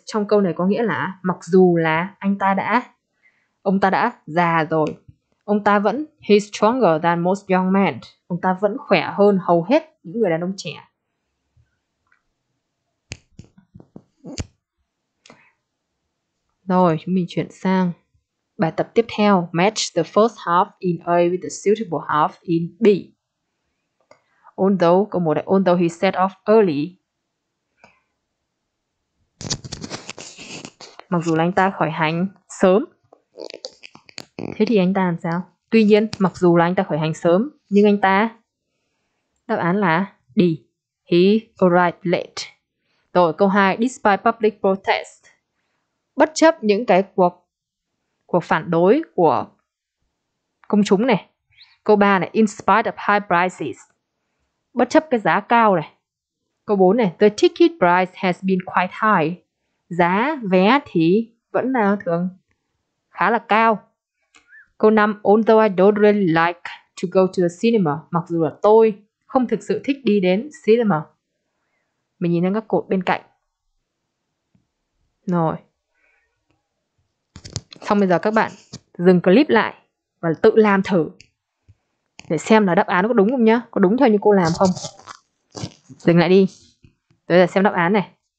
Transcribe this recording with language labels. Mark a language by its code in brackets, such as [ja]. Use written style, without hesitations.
[vi] Trong câu này có nghĩa là mặc dù là ông ta đã già rồi. Ông ta vẫn [en] he's stronger than most young men. [vi] Ông ta vẫn khỏe hơn hầu hết những người đàn ông trẻ. Rồi, chúng mình chuyển sang bài tập tiếp theo. [en] Match the first half in A with the suitable half in B. Although, [vi] câu 1 là [en] although he set off early. [vi] Mặc dù là anh ta khởi hành sớm. Thế thì anh ta làm sao? Tuy nhiên, mặc dù là anh ta khởi hành sớm, nhưng anh ta đáp án là D. [en] He arrived late. [vi] Rồi, câu 2. [en] Despite public protest. [vi] Bất chấp những cái cuộc phản đối của công chúng này. Câu 3 này. [en] In spite of high prices. [vi] Bất chấp cái giá cao này. Câu 4 này. [en] The ticket price has been quite high. [vi] Giá vé thì vẫn là thường khá là cao. Câu 5. [en] Although I don't really like to go to the cinema. [vi] Mặc dù là tôi không thực sự thích đi đến cinema. Mình nhìn sang các cột bên cạnh. Rồi. Xong bây giờ các bạn dừng clip lại và tự làm thử. Để xem là đáp án có đúng không nhá. Có đúng theo như cô làm không? Dừng lại đi. Rồi giờ xem đáp án này.